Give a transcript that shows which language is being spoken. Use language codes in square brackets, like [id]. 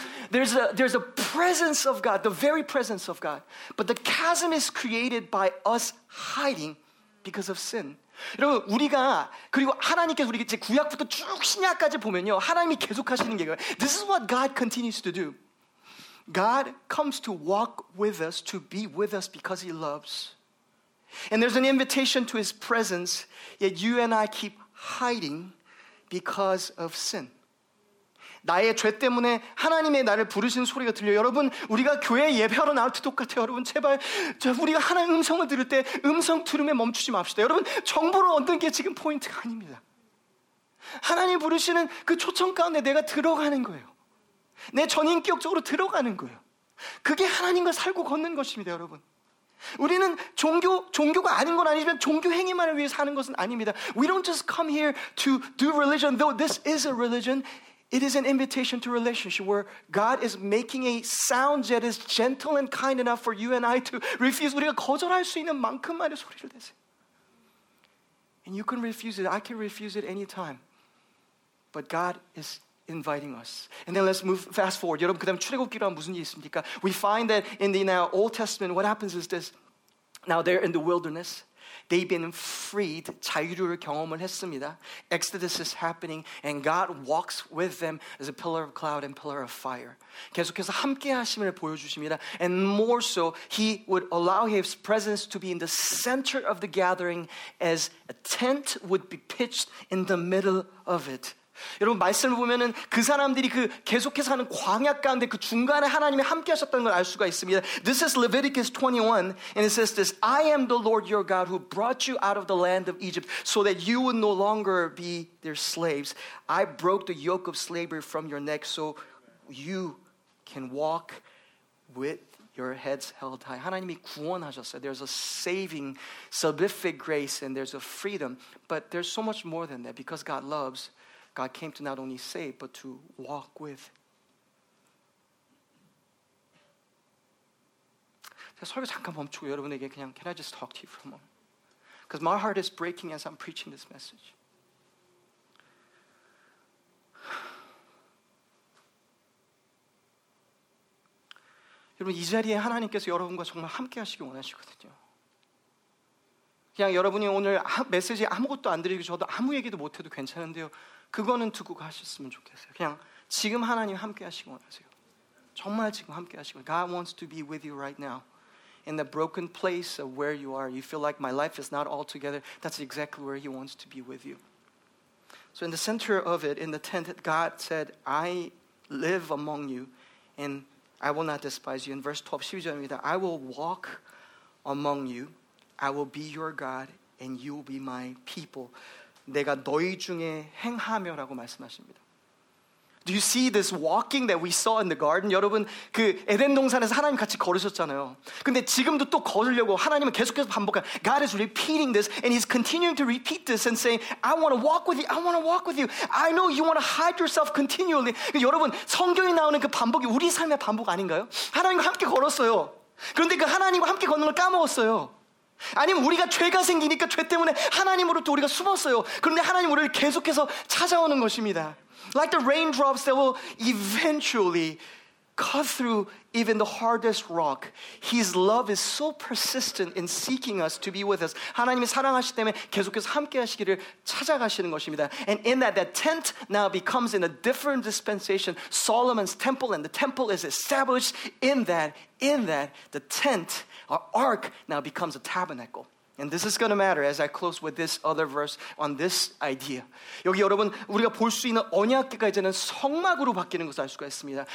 [en] There's a presence of God, the very presence of God. But the chasm is created by us hiding because of sin. [ko] 여러분 우리가 그리고 하나님께서 우리 이제 구약부터 쭉 신약까지 보면요, 하나님이 계속하시는 게 이거예요. [en] This is what God continues to do. God comes to walk with us, to be with us because He loves. And there's an invitation to His presence, yet you and I keep hiding because of sin. [ko] 나의 죄 때문에 하나님의 나를 부르신 소리가 들려요. 여러분, 우리가 교회 예배하러 나올 때 똑같아요. 여러분, 제발 우리가 하나님의 음성을 들을 때 음성 들음에 멈추지 맙시다. 여러분, 정보를 얻는 게 지금 포인트가 아닙니다. 하나님 부르시는 그 초청 가운데 내가 들어가는 거예요. 내 전인격적으로 들어가는 거예요. 그게 하나님과 살고 걷는 것입니다, 여러분. 우리는 종교가 아닌 건 아니지만 종교 행위만을 위해서 하는 것은 아닙니다. [en] We don't just come here to do religion, though this is a religion. It is an invitation to relationship where God is making a sound that is gentle and kind enough for you and I to refuse. [ko] 우리가 거절할 수 있는 만큼만의 소리를 내세요. [en] And you can refuse it. I can refuse it anytime. But God is inviting us. And then let's move fast forward. [ko] 여러분, 그 다음 출애굽기로 무슨 일이 있습니까? [en] We find that in the now Old Testament, what happens is this. Now they're in the wilderness. They've been freed, [ko] 자유를 경험을 했습니다. [en] Exodus is happening, and God walks with them as a pillar of cloud and pillar of fire. [ko] 계속해서 함께 하심을 보여주십니다. [en] And more so, He would allow His presence to be in the center of the gathering as a tent would be pitched in the middle of it. [ko] 여러분 말씀을 보면은 그 사람들이 그 계속해서 하는 광야 가운데 그 중간에 하나님이 함께 하셨다는 걸 알 수가 있습니다. [en] This is Leviticus 21 and it says this, I am the Lord your God who brought you out of the land of Egypt so that you would no longer be their slaves. I broke the yoke of slavery from your neck so you can walk with your heads held high. [ko] 하나님이 구원하셨어요. [en] There's a saving, salvific grace and there's a freedom. But there's so much more than that because God loves. God came to not only save, but to walk with. [ko] 제가 설교 잠깐 멈추고 여러분에게 그냥 [en] Can I just talk to you for a moment? Because my heart is breaking as I'm preaching this message. [ko] 여러분 이 자리에 하나님께서 여러분과 정말 함께 하시기 원하시거든요. 그냥 여러분이 오늘 메시지 아무것도 안 드리고 저도 아무 얘기도 못해도 괜찮은데요. 그거는 두고 가셨으면 좋겠어요. 그냥 지금 하나님 함께 하시기 원하세요. 정말 지금 함께 하시고 [en] God wants to be with you right now. In the broken place of where you are, you feel like my life is not all together. That's exactly where he wants to be with you. So in the center of it, in the tent, God said, I live among you and I will not despise you. In verse 12, [ko] 12절입니다. [en] I will walk among you. I will be your God and you will be my people. [ko] 내가 너희 중에 행하며라고 말씀하십니다. [en] Do you see this walking that we saw in the garden? [ko] 여러분, 그 에덴 동산에서 하나님 같이 걸으셨잖아요. 근데 지금도 또 걸으려고 하나님은 계속해서 반복해요. [en] God is repeating this and he's continuing to repeat this and saying, I want to walk with you. I want to walk with you. I know you want to hide yourself continually. [ko] 여러분, 성경에 나오는 그 반복이 우리 삶의 반복 아닌가요? 하나님과 함께 걸었어요. 그런데 그 하나님과 함께 걷는 걸 까먹었어요. 아니면 우리가 죄가 생기니까 죄 때문에 하나님으로부터 우리가 숨었어요. 그런데 하나님 우리를 계속해서 찾아오는 것입니다. [en] Like the raindrops that will eventually cut through even the hardest rock. His love is so persistent in seeking us to be with us. [ko] 하나님이 사랑하시기 때문에 계속해서 함께 하시기를 찾아가시는 것입니다. [en] And in that, the tent now becomes in a different dispensation, Solomon's temple, and the temple is established in that, the tent, our ark, now becomes a tabernacle. And this is going to matter as I close with this other verse on this idea. [ko] 여기 여러분 우리가 볼 수 있는 언약궤가 이제는 성막으로 바뀌는 것을 알 수가 있습니다.